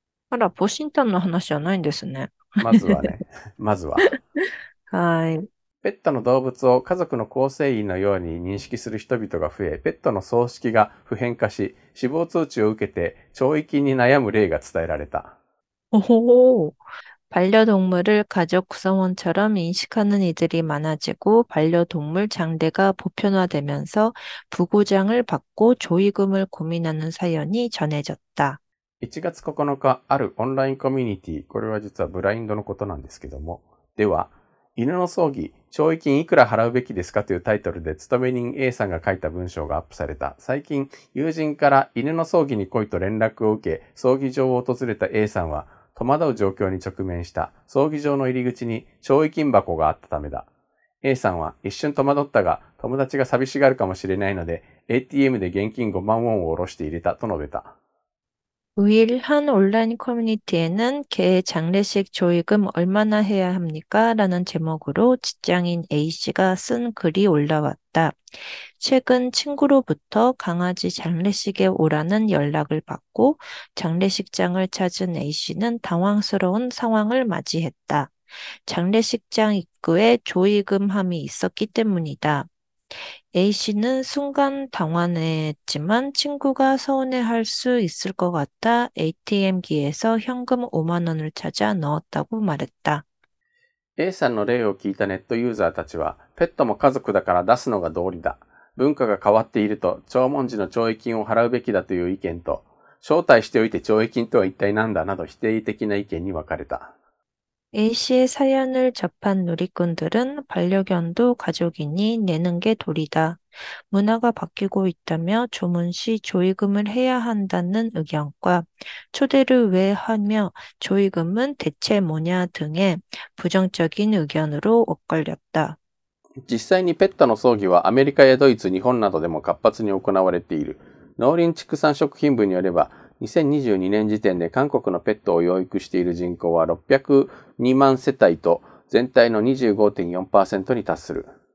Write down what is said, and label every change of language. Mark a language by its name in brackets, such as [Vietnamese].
[Japanese] あら、ポシンタンの話じゃないんですね。まずはね、まずは。はい。ペットの動物を家族の構成員のように認識する人々が増え、ペットの葬式が普遍化し、死亡通知を受けて懲役に悩む例が伝えられた。 [Korean] おお、반려동물을 가족 구성원처럼 인식하는 이들이 많아지고 반려동물 장대가 보편화되면서 부고장을 받고 조의금을 고민하는 사연이 전해졌다. [Japanese] 1月9日、あるオンラインコミュニティ、これは実はブラインドのことなんですけども、では、犬の葬儀、懲役金いくら払うべきですかというタイトルで、勤め人 A さんが書いた文章がアップされた。最近、友人から犬の葬儀に来いと連絡を受け、葬儀場を訪れた A さんは、戸惑う状況に直面した。葬儀場の入り口に懲役金箱があったためだ。A さんは一瞬戸惑ったが、友達が寂しがるかもしれないので、ATM で現金5万ウォンを下ろして入れたと述べた。 [Korean] 우일 한 온라인 커뮤니티에는 개의 장례식 조의금 얼마나 해야 합니까? 라는 제목으로 직장인 A씨가 쓴 글이 올라왔다. 최근 친구로부터 강아지 장례식에 오라는 연락을 받고 장례식장을 찾은 A씨는 당황스러운 상황을 맞이했다. 장례식장 입구에 조의금 함이 있었기 때문이다. A씨는 순간 당황했지만 친구가 서운해할 수 있을 것 같아 ATM기에서 현금 5만 원을 찾아 넣었다고 말했다. [Japanese] A さんの例を聞いたネットユーザーたちは、ペットも家族だから出すのが道理だ。文化が変わっていると、弔問時の弔慰金を払うべきだという意見と、招待しておいて弔慰金とは一体何だなど否定的な意見に分かれた。 [Korean] A씨의 사연을 접한 누리꾼들은 반려견도 가족이니 내는 게 도리다. 문화가 바뀌고 있다며 조문 시 조의금을 해야 한다는 의견과 초대를 왜 하며 조의금은 대체 뭐냐 등의 부정적인 의견으로 엇갈렸다. [Japanese] 実際にペットの葬儀はアメリカやドイツ、日本などでも活発に行われている。農林畜産食品部によれば、2022年時点で韓国のペットを養育している人口は602万世帯と全体の 25.4% に達する。